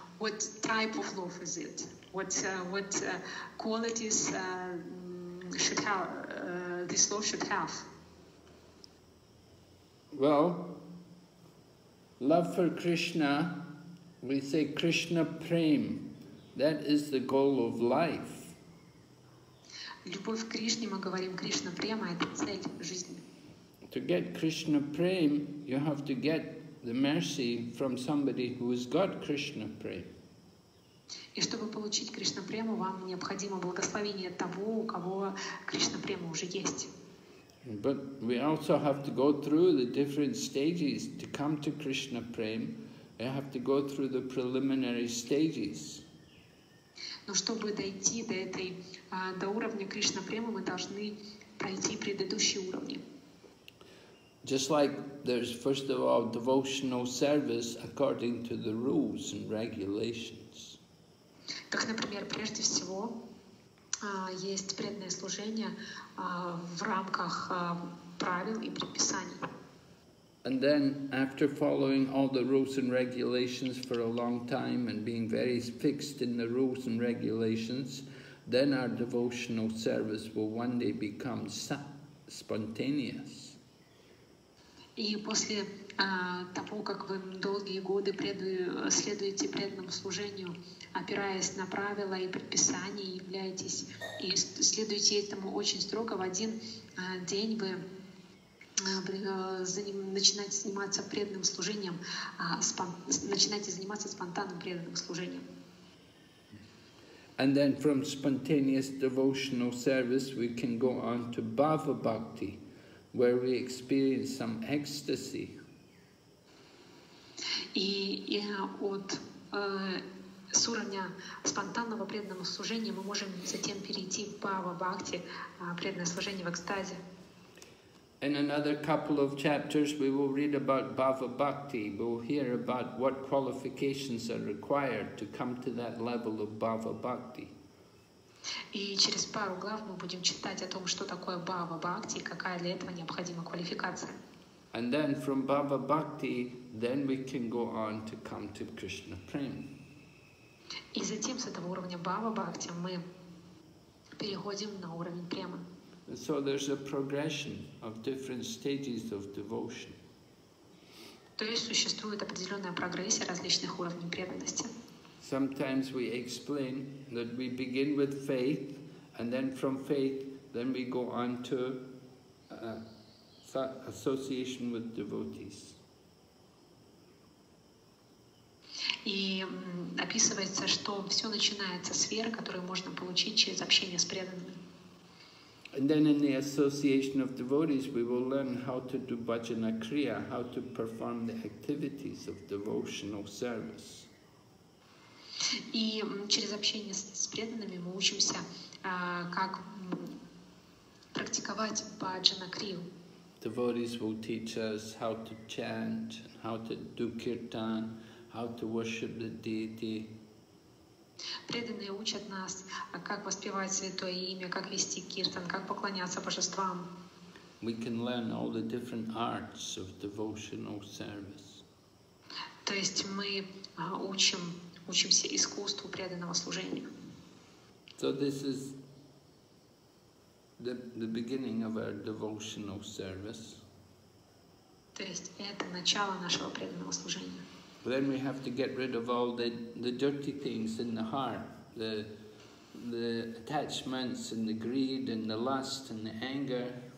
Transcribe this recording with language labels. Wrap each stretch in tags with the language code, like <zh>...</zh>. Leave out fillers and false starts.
<en>What type of love is it? What qualities should have this love should have? Well, love for Krishna, we say Krishna prem, that is the goal of life.</en> <ru>Любовь к Кришне, мы говорим Кришна према, это цель жизни.</ru> <en>To get Krishna prem, you have to get the mercy from somebody who has got Krishna prem.</en> <ru>И чтобы получить Кришна прему, вам необходимо благословение того, у кого Кришна према уже есть.</ru> <en>But we also have to go through the different stages to come to Krishna prem. We have to go through the preliminary stages.</en> <ru>Но чтобы дойти до этой до уровня Кришна премы, мы должны пройти предыдущие уровни.</ru> <en>Just like there's first of all devotional service according to the rules and regulations.</en> <ru>Как, например, прежде всего, есть преданное служение в рамках правил и предписаний.</ru> <en>And then, after following all the rules and regulations for a long time and being very fixed in the rules and regulations, then our devotional service will one day become spontaneous.</en> <ru>И после того, как вы долгие годы следуете преданному служению, опираясь на правила и предписания, являетесь и следуете этому очень строго, в один день вы начинаете заниматься преданным служением, начинаете заниматься спонтанным преданным служением.</ru> <en>And then from spontaneous devotional service we can go on to bhava bhakti, where we experience some ecstasy.</en> <ru>И от с уровня спонтанного преданного служения мы можем затем перейти в бхава-бхакти, преданное служение в экстазе.</ru> <en>In another couple of chapters we will read about bhava-bhakti. We will hear about what qualifications are required to come to that level of bhava-bhakti.</en> <ru>И через пару глав мы будем читать о том, что такое бхава-бхакти и какая для этого необходима квалификация.</ru> <en>And then from bhava-bhakti, then we can go on to come to Krishna prema.</en> <ru>И затем с этого уровня бхава-бхакти мы переходим на уровень према.</ru> <en>So there's a progression of different stages of devotion.</en> <ru>То есть существует определенная прогрессия различных уровней преданности.</ru> <en>Sometimes we explain that we begin with faith, and then from faith, then we go on to association with devotees.</en> <ru>И описывается, что все начинается с веры, которую можно получить через общение с преданными.</ru> <en>And then in the association of devotees, we will learn how to do bhajana kriya, how to perform the activities of devotional service.</en> <ru>И через общение с преданными мы учимся, как практиковать bhajana kriya.</ru> <en>Devotees will teach us how to chant, how to do kirtan, how to worship the deity.</en> <ru>Преданные учат нас, как воспевать святое имя, как вести киртан, как поклоняться божествам.</ru> <en>We can learn all the different arts of devotional service.</en> <ru>То есть мы учимся искусству преданного служения.</ru> <en>So this is the beginning of our devotional service.</en> <ru>То есть это начало нашего преданного служения.</ru> <en>Then we have to get rid of all the dirty things in the heart, the attachments and the greed and the lust and the anger.</en>